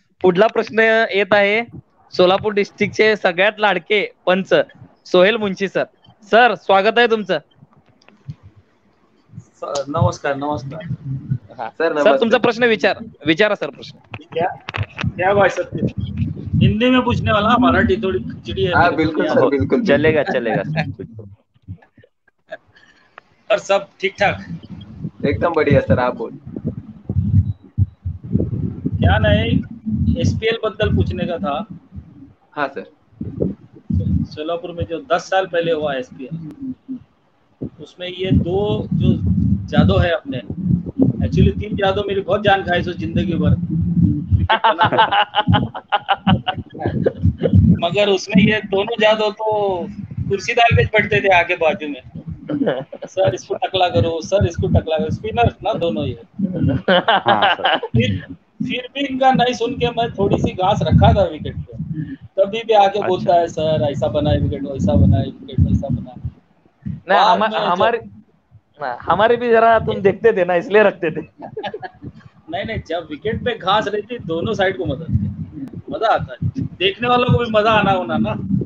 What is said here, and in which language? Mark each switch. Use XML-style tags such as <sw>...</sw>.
<mr>पुढला प्रश्न येत आहे सोलापूर डिस्ट्रिक्टचे सगळ्यात लाडके पंच सोहेल मुंशी सर. सर स्वागत आहे तुमचं. नमस्कार. नमस्कार सर, तुमचा प्रश्न विचारा सर. प्रश्न</mr> <hi>क्या भाई सर, हिंदी में पूछने वाला, मराठी थोड़ी खिचड़ी है. बिल्कुल सर, बिल्कुल चलेगा चलेगा. और सब ठीक ठाक? एकदम बढ़िया सर, आप बोल. क्या नहीं, एसपीएल बद्दल पूछने का था. हाँ सर, सोलापुर में जो 10 साल पहले हुआ एसपीएल, उसमें ये दो जो जादू है अपने, एक्चुअली तीन जादू मेरी बहुत जान खाई जिंदगी भर, मगर उसमें ये दोनों जादू तो कुर्सी डाल के बैठते थे आगे बाजू में. सर इसको टकला करो, सर इसको टकला करो, स्पिनर ना दोनों ये. फिर भी इनका नहीं सुन के मैं थोड़ी सी घास रखा था विकेट पे, तभी भी आके बोलता है सर ऐसा बनाए विकेट, ऐसा बनाए विकेट, ऐसा बनाए. हमारे भी जरा तुम देखते थे ना, इसलिए रखते थे. नहीं नहीं, जब विकेट पे घास रहती दोनों साइड को मजा आता है, देखने वालों को भी मजा आना होना ना.</hi>